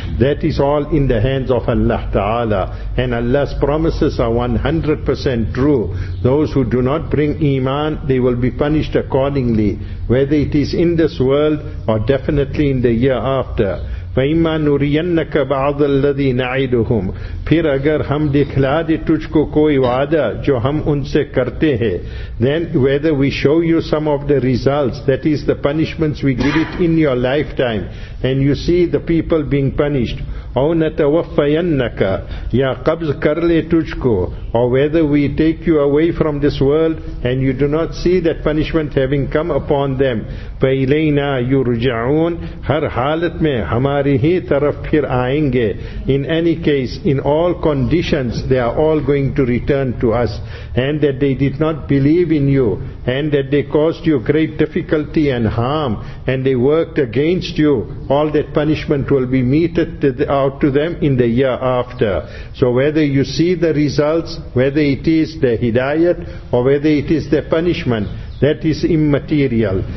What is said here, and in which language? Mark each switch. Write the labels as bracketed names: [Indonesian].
[English] That is all in the hands of Allah Ta'ala. And Allah's promises are 100% true. Those who do not bring iman, they will be punished accordingly, whether it is in this world or definitely in the year after. [Arabic] فَإِمَّا نُرِيَنَّكَ بَعْضَ الَّذِي نَعِدُهُمْ. [Urdu] پھر اگر ہم دکھلا دے تجھ کو کوئی وعدہ جو ہم ان سے کرتے ہیں. [English] Then whether we show you some of the results, that is the punishments we give it in your lifetime, and you see the people being punished. [Arabic] أَوْ نَتَوَفَّيَنَّكَ. [Urdu] یا قبض کر لے تجھ کو. [English] Or whether we take you away from this world and you do not see that punishment having come upon them. [Arabic] فَإِلَيْنَا يُرْجَعُونَ. [Urdu] ہر حالت میں ہماری ہی طرف پھر آئیں گے. [English] In any case, in all conditions, they are all going to return to us. And that they did not believe in you, and that they caused you great difficulty and harm, and they worked against you, all that punishment will be meted out to them in the year after. So whether you see the results, whether it is the hidayat or whether it is the punishment, that is immaterial.